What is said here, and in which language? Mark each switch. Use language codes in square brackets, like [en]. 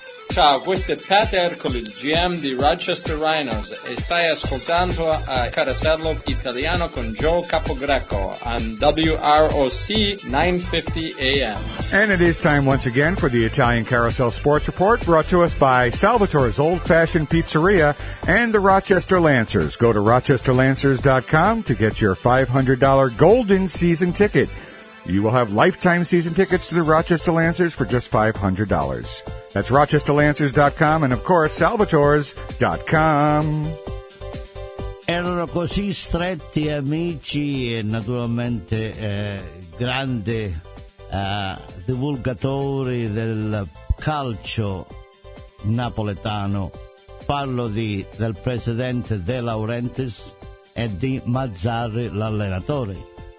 [it] Ciao, questo è Pat Ercole, GM di Rochester Rhinos, e stai ascoltando a Carosello Italiano con Joe Capogreco on WROC 950 AM. [en] And it is time once again for the Italian Carousel Sports Report, brought to us by Salvatore's Old Fashioned Pizzeria and the Rochester Lancers. Go to RochesterLancers.com to get your $500 golden season ticket. You will have lifetime season tickets to the Rochester Lancers for just $500. That's RochesterLancers.com and, of course, Salvatore's.com. [it] Erano così stretti amici e, naturalmente, grandi divulgatori del calcio napoletano. Parlo del presidente De Laurentiis e di Mazzarri, l'allenatore.